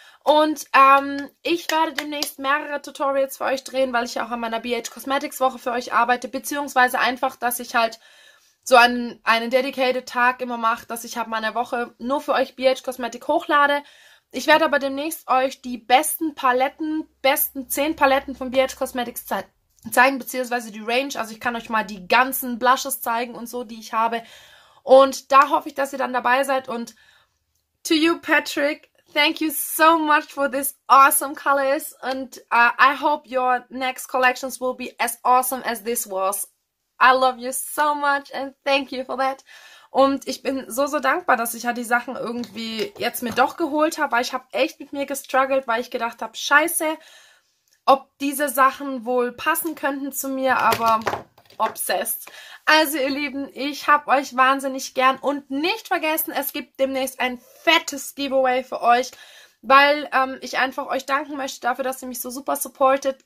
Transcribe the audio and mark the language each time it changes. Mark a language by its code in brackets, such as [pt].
[de] Und ich werde demnächst mehrere Tutorials für euch drehen, weil ich ja auch an meiner BH Cosmetics Woche für euch arbeite, beziehungsweise einfach, dass ich halt so einen dedicated Tag immer mache, dass ich habe meine Woche nur für euch BH Cosmetics hochlade. Ich werde aber demnächst euch die besten Paletten, besten 10 Paletten von BH Cosmetics zeigen, beziehungsweise die Range. Also ich kann euch mal die ganzen Blushes zeigen und so, die ich habe. Und da hoffe ich, dass ihr dann dabei seid. [en] Und to you, Patrick, thank you so much for this awesome colors. And I hope your next collections will be as awesome as this was. I love you so much and thank you for that. [de] Und ich bin so, so dankbar, dass ich ja die Sachen irgendwie jetzt mir doch geholt habe, weil ich habe echt mit mir gestruggelt, weil ich gedacht habe, scheiße, ob diese Sachen wohl passen könnten zu mir, aber obsessed. Also ihr Lieben, ich hab euch wahnsinnig gern und nicht vergessen, es gibt demnächst ein fettes Giveaway für euch, weil ich einfach euch danken möchte dafür, dass ihr mich so super supportet.